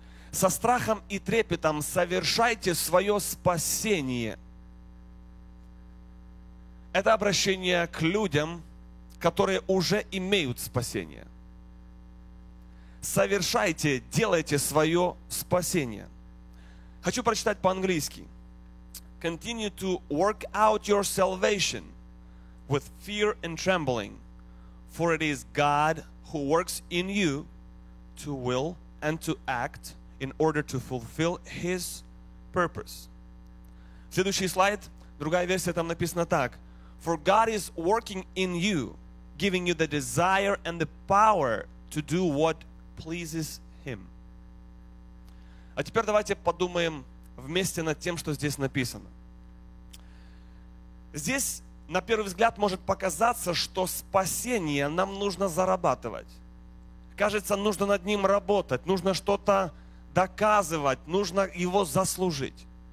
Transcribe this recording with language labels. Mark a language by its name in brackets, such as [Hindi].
[Russian] Со страхом и трепетом совершайте свое спасение. Это обращение к людям, которые уже имеют спасение. Совершайте, делайте свое спасение. Хочу прочитать по-английски. [English] Continue to work out your salvation with fear and trembling, for it is God who works in you to will and to act in order to fulfill His purpose. [Russian] Следующий слайд, другая версия, там написано так. [English] For God is working in you, giving you the desire and the power to do what pleases Him. [Russian] А теперь давайте подумаем вместе над тем, что здесь написано. Здесь, на первый взгляд, может показаться, что спасение нам нужно зарабатывать. Кажется, нужно над ним работать, нужно что-то доказывать, нужно его заслужить.